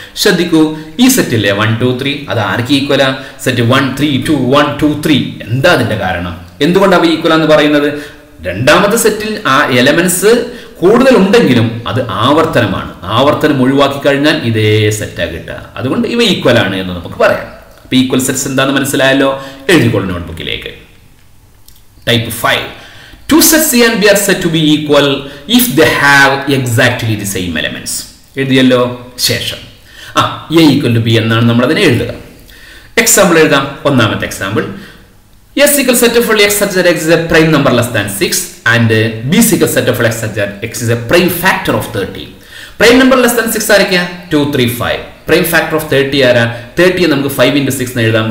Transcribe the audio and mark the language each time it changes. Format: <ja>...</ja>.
<ml>ശ്രദ്ധിക്കൂ, ഈ സെറ്റില്ലേ 1 2 3, അത് ആർക്ക് ഈക്വലാ? സെറ്റ് 1 3 2 1 2 3. എന്താ അതിന്റെ കാരണം? എന്തുകൊണ്ടാണ് അവ ഈക്വലാന്ന് പറയുന്നത്? രണ്ടാമത്തെ സെറ്റിൽ ആ എലമെന്റ്സ് കൂടുതൽ ഉണ്ടെങ്കിലും അത് ആവർത്തനമാണ്. ആവർത്തനം ഒഴിവാക്കി കഴിഞ്ഞാൽ ഇതേ സെറ്റാണ് കിട്ടുക. അതുകൊണ്ട് ഇവ ഈക്വൽ ആണ് എന്ന് നമുക്ക് പറയാം. അപ്പൊ ഈക്വൽ സെറ്റ്സ് എന്താന്ന് മനസ്സിലായല്ലോ. എഴുതിക്കൊള്ള നോട്ട്ബുക്കിലേക്ക്. Type 5.</ml> <en>Two sets A and B are said to be equal if they have exactly the same elements.</en> <ml>എഴുതിയല്ലോ. ശേഷം</ml> <en>A equal to B</en> <ml>എന്നാണ് നമ്മൾ അതിനെ എഴുതുക. എക്സാമ്പിൾ എഴുതാം. ഒന്നാമത്തെ</ml> <en>Example, S equal set of X such that X is a prime number less than 6 and B equal set of X such that X is a prime factor of 30. Prime number less than 6 are 2, 3, 5. Prime factor of 30 are 30 and 5 into 6</en> <ml>എഴുതാം.</ml>